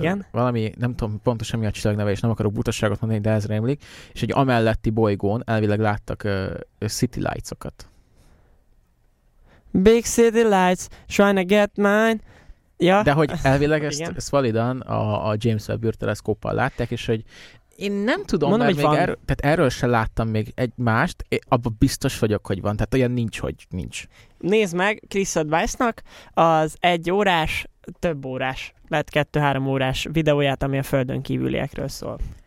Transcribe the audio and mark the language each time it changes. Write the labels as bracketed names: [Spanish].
[Hungarian] Valami, nem tudom pontosan mi a csillag neve, és nem akarok butaságot mondani, de ez rémlik. És egy amelletti bolygón elvileg láttak City Lights-okat. [English] Big City Lights, trying to get mine. [Hungarian] Ja. De hogy elvileg ezt validan a James Webb űrteleszkóppal látták, és hogy én nem tudom, mondom, mert még erről sem láttam még egymást, abban biztos vagyok, hogy van, tehát olyan nincs, hogy nincs. Nézd meg, Chris Advice-nak az egy órás, több órás, lehet 2-3 órás videóját, ami a földön kívüliekről szól.